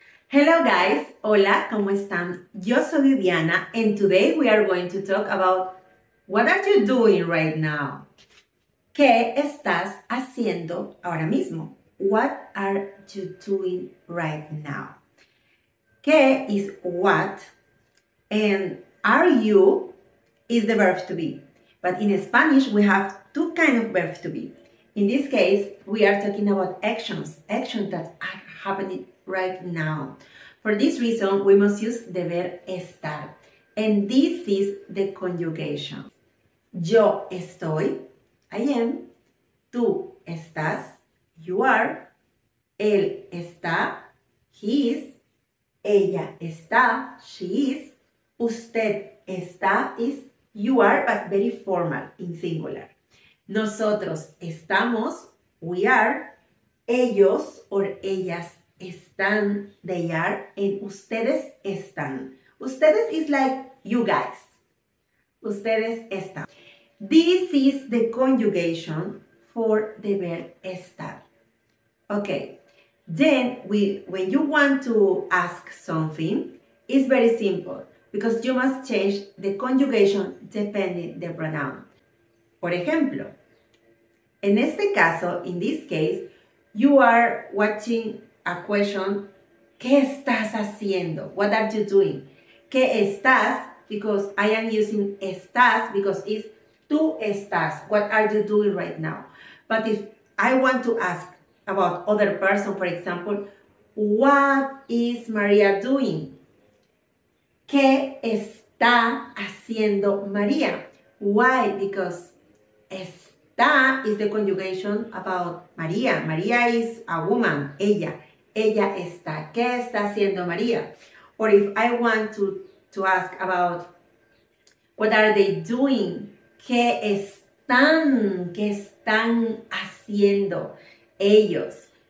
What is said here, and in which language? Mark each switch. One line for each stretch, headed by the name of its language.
English: Hello guys,
Spanish: hola, ¿cómo están? Yo soy
English: Viviana and today we are going to talk about what are you doing right now?
Spanish: ¿Qué estás haciendo ahora mismo?
English: What are you doing right now? ¿Qué is what? And are you is the verb to be. But in Spanish we have two kinds of verb to be. In this case, we are talking about actions that are happening right now. For this reason, we must use the verb estar. And this is the conjugation.
Spanish: Yo estoy,
English: I am.
Spanish: Tú estás,
English: you are.
Spanish: Él está,
English: he is.
Spanish: Ella está,
English: she is.
Spanish: Usted está
English: is you are, but very formal, in singular.
Spanish: Nosotros estamos,
English: we are.
Spanish: Ellos or ellas están,
English: they are,
Spanish: and ustedes están.
English: Ustedes is like you guys.
Spanish: Ustedes están.
English: This is the conjugation for the verb estar. Okay, then when you want to ask something, it's very simple because you must change the conjugation depending the pronoun.
Spanish: Por ejemplo, en este caso,
English: in this case, you are watching a question,
Spanish: ¿qué estás haciendo?
English: What are you doing?
Spanish: ¿Qué estás?
English: Because I am using estás because it's tú estás. What are you doing right now? But if I want to ask about other person, for example, what is María doing?
Spanish: ¿Qué está haciendo María?
English: Why? Because está is the conjugation about María. María is a woman, ella.
Spanish: Ella está. ¿Qué está haciendo María?
English: Or if I want to ask about what are they doing?
Spanish: Qué están haciendo ellos?